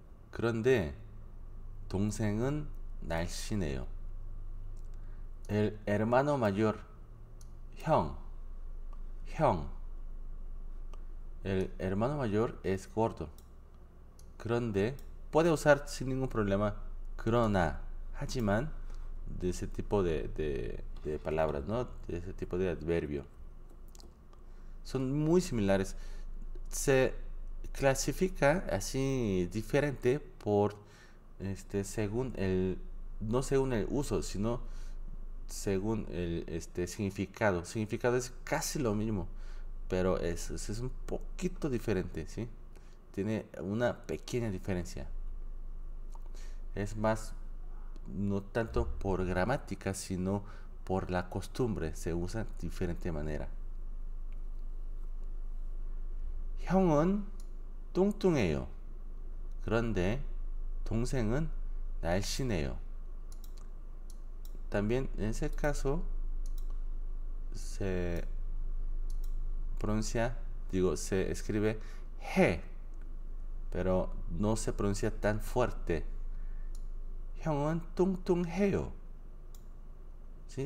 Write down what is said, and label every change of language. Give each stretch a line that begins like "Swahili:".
Korean: 그런데 동생은 날씬해요.
Spanish: El hermano mayor, 형, 형. El hermano mayor es gordo. 그런데 puede usar sin ningún problema. 그러나, 하지만, de ese tipo de palabras, ¿no? De ese tipo de adverbio. Son muy similares. Se clasifica así diferente por según el, no según el uso, sino según el significado. Significado es casi lo mismo, pero es un poquito diferente, ¿sí? Tiene una pequeña diferencia. Es más, no tanto por gramática, sino por la costumbre. Se usa de diferente manera.
Korean: 형은 뚱뚱해요. 그런데 동생은 날씬해요.
Spanish: También en ese caso se pronuncia, digo, se escribe he, pero no se pronuncia tan fuerte.
Korean: 형은 뚱뚱해요. ¿Sí?